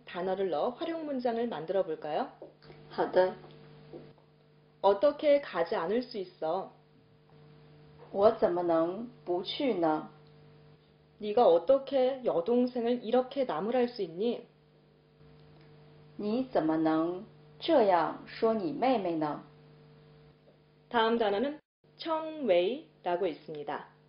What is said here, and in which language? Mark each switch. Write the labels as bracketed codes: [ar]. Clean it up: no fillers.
[ko] 단어를 넣어 활용 문장을 만들어 볼까요? [zh] 好的. [ko] 어떻게 가지 않을 수 있어? [zh] 我怎么能不去呢? [ko] 네가 어떻게 여동생을 이렇게 나무랄 수 있니? [zh] 你怎么能这样说你妹妹呢? [ko] 다음 단어는 称为라고 있습니다.